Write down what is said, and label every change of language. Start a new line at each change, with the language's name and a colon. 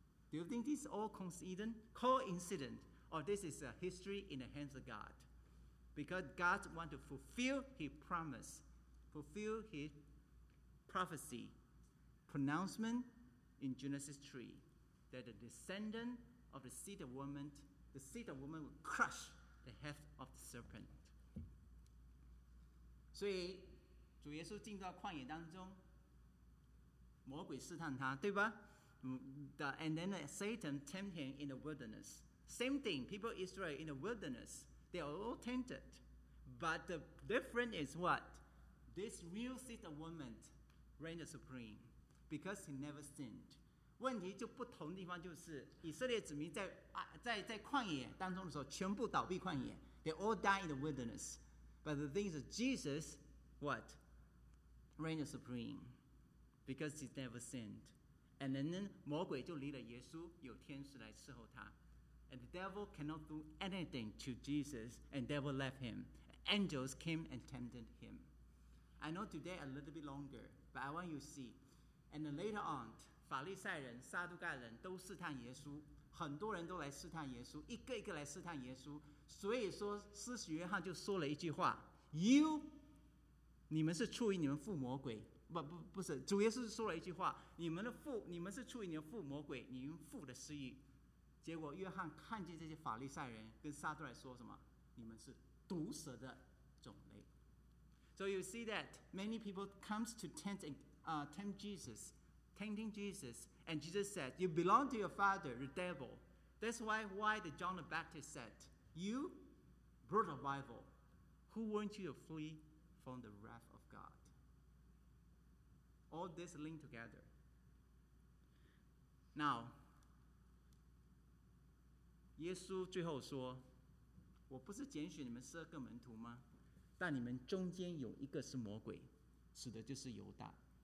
English: Do you think this is all coincident or this is a history in the hands of God? Because God wants to fulfill his promise, fulfill his prophecy pronouncement in Genesis 3 that the descendant of the seed of womanThe seed of woman will crush the head of the serpent.
Chinese: 所以主耶稣进到旷野当中，魔鬼试探他，对吧？
English: And then Satan tempted him in the wilderness. Same thing, people Israel in the wilderness, they are all tempted. But the difference is what? This real seed of woman reigned supreme because he never sinned.
Chinese: 问题就不同的地方就是以色列子民 在旷野当中的时候全部倒闭旷野，
English: They all die in the wilderness. But the thing is Jesus what? Reigned supreme because he never sinned. And then
Chinese: 魔鬼就离了耶稣，有天使来伺候他。
English: And the devil cannot do anything to Jesus, and the devil left him. Angels came and tempted him. I know today a little bit longer, but I want you to see. And then later on
Chinese: 法利赛人、撒都盖人都试探耶稣，很多人都来试探耶稣，一个一个来试探耶稣。所以说，施洗约翰就说了一句话 ：“You， 你们是出于你们父魔鬼。” 不是，主耶稣说了一句话：“你们是出于你们父魔鬼，你们父的私欲。” 结果约翰看见这些法利赛人跟撒都来说什么？你们是毒蛇的种类。
English: So you see that many people comes to tempting Jesus, and Jesus said, "You belong to your father, the devil." That's why the John the Baptist said, "You brood of vipers, who warned you to flee from the wrath of God?" All this link together.
Chinese: Now, 耶稣最后说，我不是拣选你们十二个门徒吗？但你们中间有一个是魔鬼，指的就是犹大。